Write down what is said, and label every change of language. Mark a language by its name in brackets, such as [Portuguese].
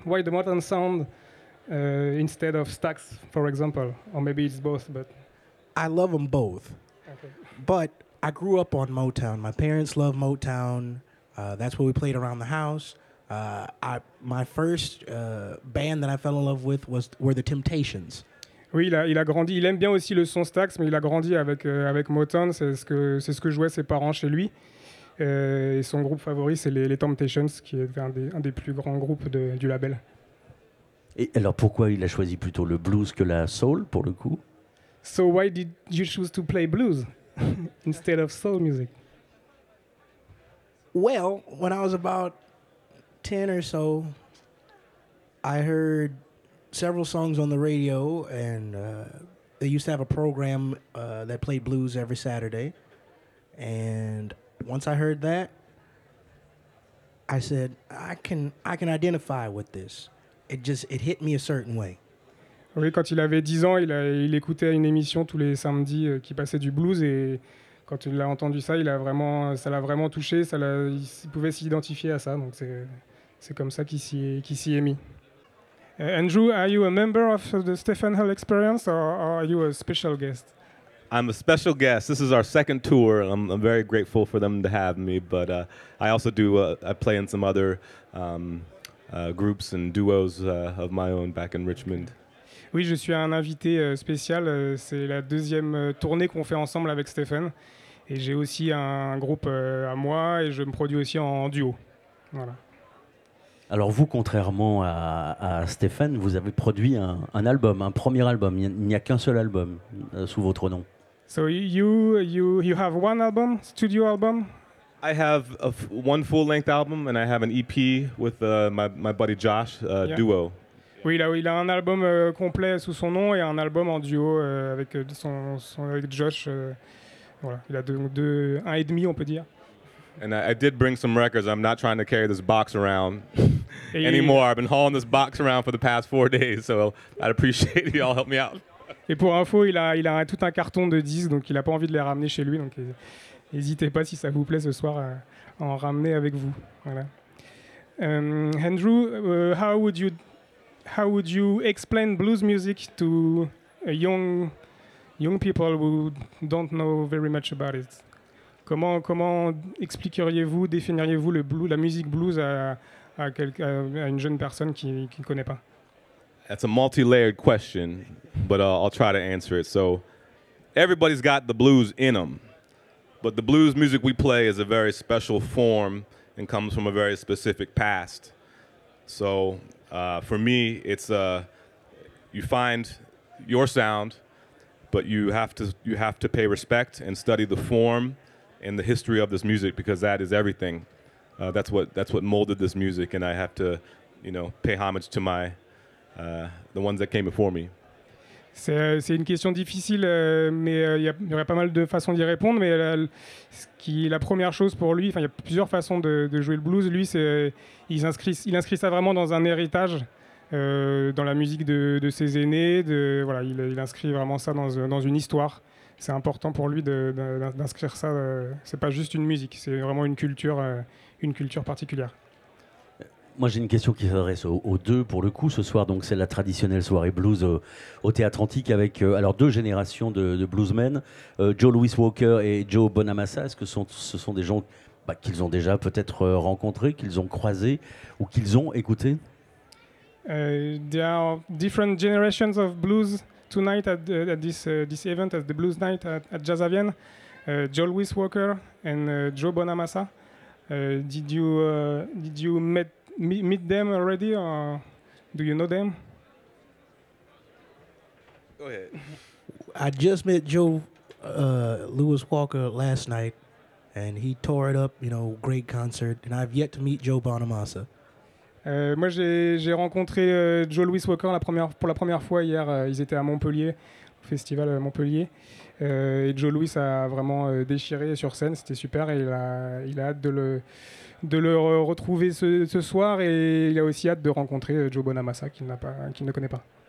[English] Why the Motown sound instead of Stax, for example, or maybe it's both? But I love them both. Okay. But I grew up on Motown. My parents love Motown. That's what we played around the house. My first band that I fell in love with were the Temptations. [French] Oui, il a grandi. Il aime bien aussi le son Stax, mais il a grandi avec Motown. C'est ce que jouaient ses parents chez lui. Et son groupe favori, c'est les Temptations, qui est un des plus grands groupes du label. Et alors, pourquoi il a choisi plutôt le blues que la soul, pour le coup? [English] So why did you choose to play blues instead of soul music? Well, when I was about 10 or so, I heard several songs on the radio, and they used to have a program that played blues every Saturday. And once I heard that, I said, I can identify with this. It hit me a certain way. [French] Oui, quand il avait 10 ans, il écoutait une émission tous les samedis qui passait du blues, et quand il a entendu ça, ça l'a vraiment touché, il pouvait s'identifier à ça, donc c'est comme ça qu'il s'y est mis. [English] Andrew, are you a member of the Stephen Hill Experience, or are you a special guest? I'm a special guest. This is our second tour. I'm very grateful for them to have me, but I also do, I play in some other groups and duos of my own back in Richmond. [French] Oui, je suis un invité spécial. C'est la deuxième tournée qu'on fait ensemble avec Stephen. Et j'ai aussi un groupe à moi et je me produis aussi en duo. Voilà. Alors vous, contrairement à Stephen, vous avez produit un album, un premier album. Il n'y a qu'un seul album sous votre nom. [English] So you have one album, studio album? I have one full-length album and I have an EP with my buddy Josh, yeah. Duo. [French] Oui, il a un album complet sous son nom et un album en duo avec Josh. Voilà, il a deux, un et demi, on peut dire. [English] And I did bring some records. I'm not trying to carry this box around anymore. I've been hauling this box around for the past 4 days, so I'd appreciate if you all help me out. [French] Et pour info, il a tout un carton de disques, donc il a pas envie de les ramener chez lui. Donc n'hésitez pas, si ça vous plaît ce soir, à en ramener avec vous. Voilà. [English] Andrew, how would you explain blues music to a young people who don't know very much about it? [French] Comment expliqueriez-vous, définiriez-vous la musique blues à une jeune personne qui ne connaît pas? [English] That's a multi-layered question, but I'll try to answer it. So everybody's got the blues in them, but the blues music we play is a very special form and comes from a very specific past. So for me, it's you find your sound, but you have to pay respect and study the form and the history of this music, because that is everything. That's what molded this music, and I have to, you know, pay homage to my the ones that came before me. [French] C'est une question difficile, mais il y aurait pas mal de façons d'y répondre. Mais la première chose pour lui, enfin, il y a plusieurs façons de jouer le blues. Lui, c'est il inscrit ça vraiment dans un héritage, dans la musique de ses aînés. Voilà, il inscrit vraiment ça dans une histoire. C'est important pour lui d'inscrire ça. C'est pas juste une musique, c'est vraiment une culture particulière. Moi, j'ai une question qui s'adresse aux deux, pour le coup, ce soir. Donc, c'est la traditionnelle soirée blues au Théâtre Antique avec alors deux générations de bluesmen, Joe Louis Walker et Joe Bonamassa. Est-ce que ce sont des gens qu'ils ont déjà peut-être rencontrés, qu'ils ont croisés ou qu'ils ont écoutés? [English] There are different generations of blues tonight at this event, at the Blues Night at Jazzavienne. Joe Louis Walker and Joe Bonamassa. Did you meet them already, or do you know them? Go ahead. I just met Joe Louis Walker last night, and he tore it up, you know, great concert, and I've yet to meet Joe Bonamassa. [French] Moi, j'ai rencontré Joe Louis Walker pour la première fois hier. Ils étaient à Montpellier, au festival Montpellier. Et Joe Louis a vraiment déchiré sur scène, c'était super, et il a hâte de le retrouver ce soir, et il a aussi hâte de rencontrer Joe Bonamassa, qu'il ne connaît pas.